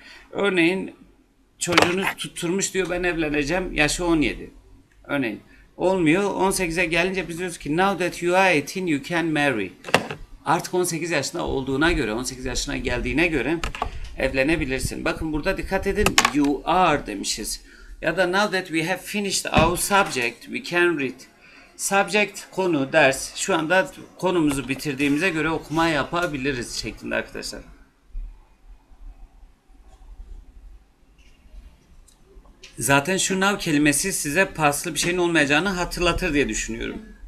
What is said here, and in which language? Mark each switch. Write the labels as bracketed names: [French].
[Turkish] Örneğin çocuğunu tutturmuş diyor ben evleneceğim. Yaşı 17. Örneğin olmuyor. 18'e gelince biz diyoruz ki [English] now that you are 18 you can marry. [Turkish] Artık 18 yaşında olduğuna göre, 18 yaşına geldiğine göre evlenebilirsin. Bakın burada dikkat edin. [English] You are [Turkish] demişiz. Ya da [English] now that we have finished our subject we can read. [Turkish] Subject, konu, ders. Şu anda konumuzu bitirdiğimize göre okuma yapabiliriz şeklinde arkadaşlar. Zaten şu now kelimesi size paslı bir şeyin olmayacağını hatırlatır diye düşünüyorum.